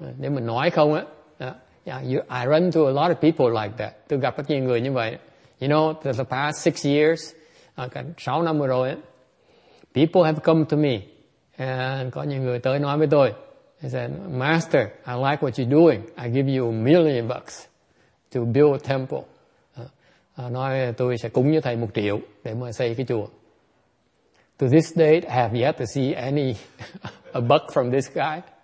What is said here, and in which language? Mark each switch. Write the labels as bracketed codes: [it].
[vi] Nếu mình nói không á, [en] I run into a lot of people like that. [vi] Tôi gặp rất nhiều người như vậy. [en] You know, for the past 6 years, [vi] 6 năm rồi, [en] people have come to me and [vi] có những người tới nói với tôi. [en] He said, Master, I like what you're doing. I give you $1,000,000 to build a temple. [vi] Nói tôi sẽ cúng với thầy 1,000,000 để mà xây cái chùa. [en] To this date, I have yet to see any a buck from this guy.